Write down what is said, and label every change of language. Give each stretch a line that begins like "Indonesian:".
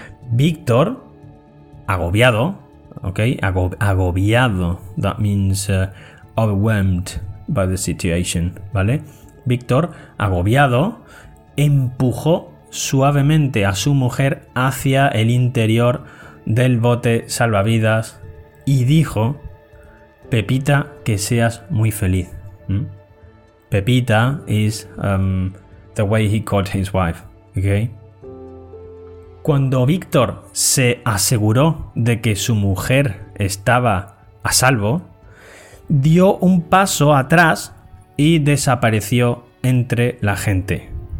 Spanish: Víctor, agobiado, ¿ok? Agobiado,
English: that means overwhelmed by the situation,
Spanish: ¿vale? Víctor, agobiado, empujó suavemente a su mujer hacia el interior del bote salvavidas y dijo: Pepita, que seas muy feliz.
English: Pepita is the way he called his wife, okay?
Spanish: Cuando Víctor se aseguró de que su mujer estaba a salvo, dio un paso atrás y desapareció entre la gente.